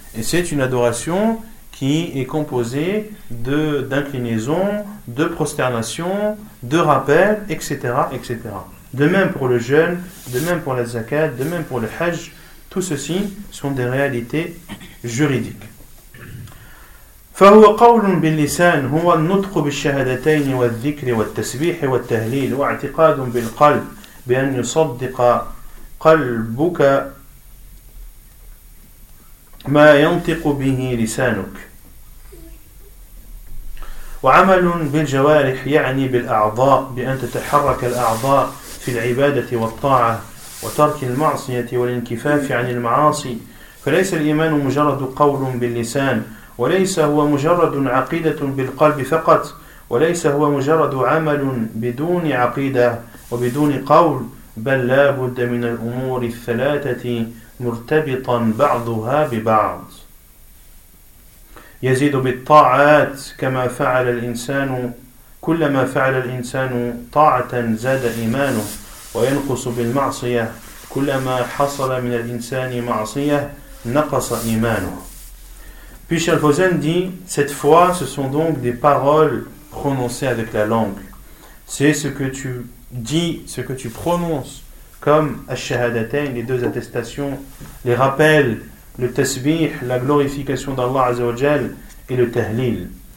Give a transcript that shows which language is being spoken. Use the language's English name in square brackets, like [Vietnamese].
[French] Et c'est une adoration qui est composée d'inclinaisons, de prosternations, de rappels, etc., etc. De même pour le jeûne, de même pour la zakat, de même pour le hajj, tout ceci sont des réalités juridiques. [Arabic] فهو قول باللسان هو النطق بالشهادتين والذكر والتسبيح والتهليل واعتقاد بالقلب بأن يصدق قلبك ما ينطق به لسانك وعمل بالجوارح يعني بالأعضاء بأن تتحرك الأعضاء في العبادة والطاعة وترك المعصية والانكفاف عن المعاصي فليس الإيمان مجرد قول باللسان وليس هو مجرد عقيدة بالقلب فقط وليس هو مجرد عمل بدون عقيدة وبدون قول بل لا بد من الأمور الثلاثة مرتبطا بعضها ببعض يزيد بالطاعات كما فعل الإنسان كلما فعل الإنسان طاعة زاد إيمانه وينقص بالمعصية كلما حصل من الإنسان معصية نقص إيمانه. [French] Puis Cheikh Al-Fawzan dit, cette foi, ce sont donc des paroles prononcées avec la langue. C'est ce que tu dis, ce que tu prononces, comme Ash-Shahadatayn, les deux attestations, les rappels, le tasbih, la glorification d'Allah Azzawajal et le tahlil.